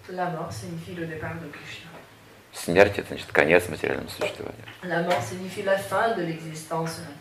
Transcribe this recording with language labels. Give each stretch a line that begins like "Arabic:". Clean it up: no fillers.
French: La mort signifie le départ de Krishna.
Russian: Смерть это значит конец материального существования.
French: La mort signifie la fin de l'existence.